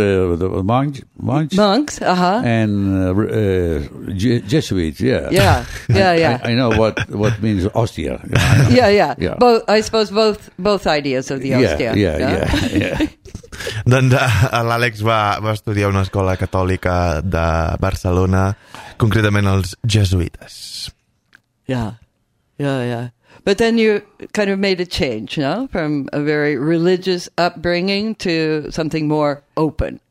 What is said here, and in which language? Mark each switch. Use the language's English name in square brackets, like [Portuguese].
[English] With religious schools, the monks. Uh huh. And Jesuits. Yeah. Yeah. Yeah. Yeah. I know what means hostia. Yeah. Yeah. Yeah. Both. I suppose both ideas of the hostia. Yeah. [Catalan] Doncs l'Àlex va estudiar a una escola catòlica de Barcelona, concretament els jesuïtes. [English] Yeah. Yeah, yeah. But then you kind of made a change, you know, from a very religious upbringing to something more open.